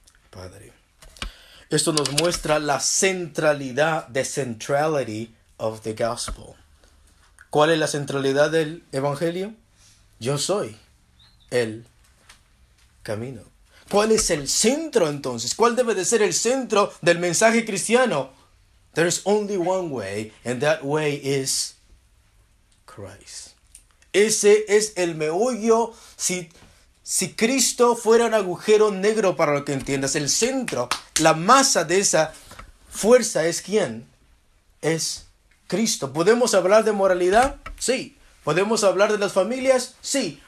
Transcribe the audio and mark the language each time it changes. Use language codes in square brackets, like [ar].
[es] Padre. Esto nos muestra la centralidad, [en] the centrality of the gospel. [es] ¿Cuál es la centralidad del evangelio? Yo soy el camino. ¿Cuál es el centro entonces? ¿Cuál debe de ser el centro del mensaje cristiano? [en] There is only one way, and that way is Christ. [es] Ese es el meollo. Si Cristo fuera un agujero negro, para lo que entiendas, el centro, la masa de esa fuerza es ¿quién? Es Cristo. ¿Podemos hablar de moralidad? Sí. ¿Podemos hablar de las familias? Sí.